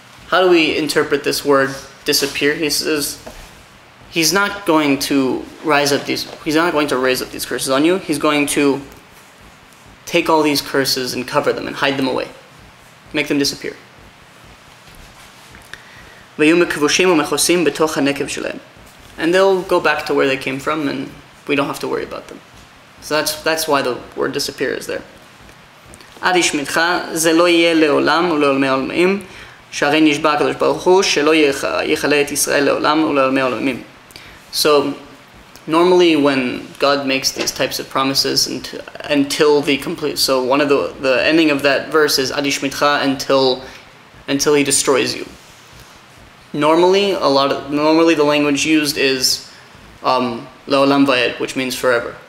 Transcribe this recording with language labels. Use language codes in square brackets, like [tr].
[en] How do we interpret this word disappear? He says, he's not going to rise up these curses on you. He's going to take all these curses and cover them and hide them away. Make them disappear. [he] ויהיו מכבושים ומכוסים בתוך הנקב שלהם. [en] And they'll go back to where they came from and we don't have to worry about them. So that's why the word disappear is there. [he] עד ישמיתך זה לא יהיה לעולם ולעולמי עולמיים, שהרי נשבע הקדוש ברוך הוא שלא יחלה את ישראל לעולם ולעולמי עולמיים. [en] So normally when God makes these types of promises until the complete, so one of the ending of that verse is [he] Adi Shmitcha, [en] until he destroys you. Normally the language used is [he] Leolam Vayed, [en] which means forever.